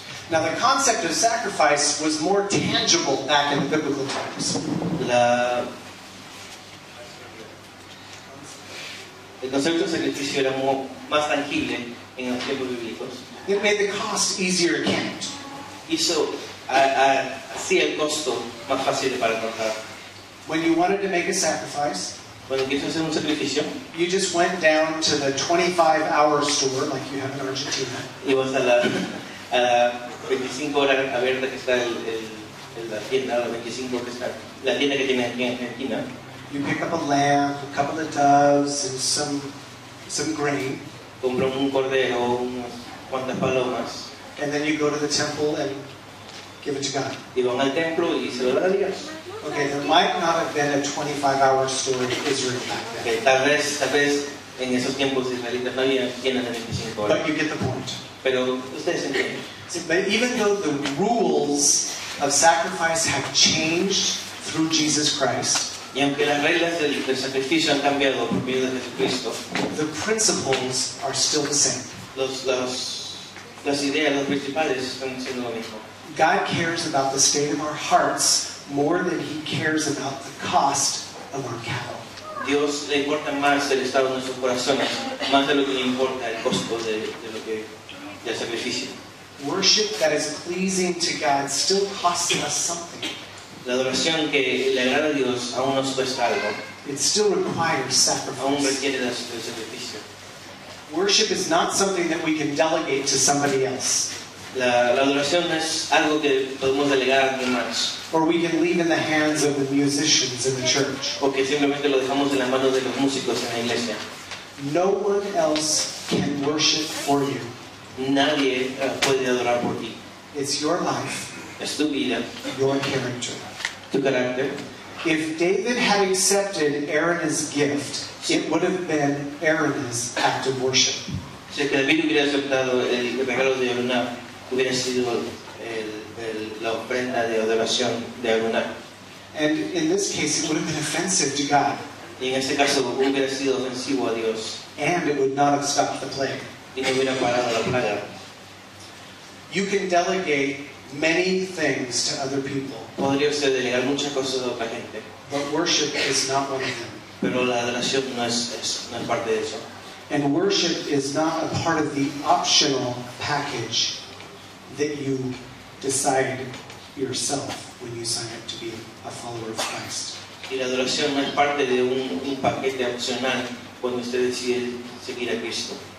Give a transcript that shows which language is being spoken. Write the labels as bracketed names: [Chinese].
[English] Now the concept of sacrifice was more tangible back in the biblical times. [Spanish] El concepto de sacrificio era más tangible en los tiempos bíblicos. [English] It made the cost easier to count. [Spanish] Hizo así el costo más fácil para contar. [English] When you wanted to make a sacrifice, [Spanish] cuando quieres hacer un sacrificio, [English] you just went down to the 25-hour store like you have in Argentina. [Spanish] Ibas a la 25 horas a ver de que está la tienda, la 25 que está la tienda que tiene aquí en Argentina. [English] You pick up a lamb, a couple of doves, and some grain. [Spanish] Compró un cordero, unas cuantas palomas. [English] And then you go to the temple and give it to God. [Spanish] Y van al templo y se lo dan a Dios. [English] Okay, there might not have been a 25-hour store in Israel back then. [Spanish] Okay, tal vez en esos tiempos israelitas no había tiendas de 25 horas. [English] But you get the point. [Spanish] Pero ustedes entienden. [English] See, but even though the rules of sacrifice have changed through Jesus Christ, [Spanish] y aunque las reglas del sacrificio han cambiado por medio de Jesucristo, [English] the principles are still the same. [Spanish] Las ideas, los principales, están siendo lo mismo. [English] God cares about the state of our hearts more than he cares about the cost of our cattle. [Spanish] Dios le importa más el estado de nuestros corazones, más de lo que le importa el costo del sacrificio. [English] Worship that is pleasing to God still costs us something. [Spanish] La adoración que le agrada a Dios aún nos cuesta algo. [English] It still requires sacrifice. [Spanish] Aún requiere el sacrificio. [English] Worship is not something that we can delegate to somebody else. [Spanish] La adoración no es algo que podemos delegar a alguien más. [English] Or we can leave in the hands of the musicians in the church. [Spanish] O que simplemente lo dejamos en las manos de los músicos en la iglesia. [English] No one else can worship for you. [Spanish] Nadie puede adorar por ti. [English] It's your life. [Spanish] Es tu vida. [English] Your character. [Spanish] Tu carácter. [English] If David had accepted Aaron's gift, it would have been Aaron's act of worship. [Spanish] Si es que David hubiera aceptado el regalo de Aaron, hubiera sido la ofrenda de adoración de Aaron. [English] And in this case, it would have been offensive to God. [Spanish] Y en este caso hubiera sido ofensivo a Dios. [English] And it would not have stopped the plague. [Spanish] Y no hubiera parado la plaga. [English] You can delegate many things to other people. [Spanish] Podría usted delegar muchas cosas a otra gente. [English] But worship is not one of them. [Spanish] Pero la adoración no es parte de eso. [English] And worship is not a part of the optional package that you decide yourself when you sign up to be a follower of Christ. [Spanish] Y la adoración no es parte de un paquete opcional cuando usted decide seguir a Cristo.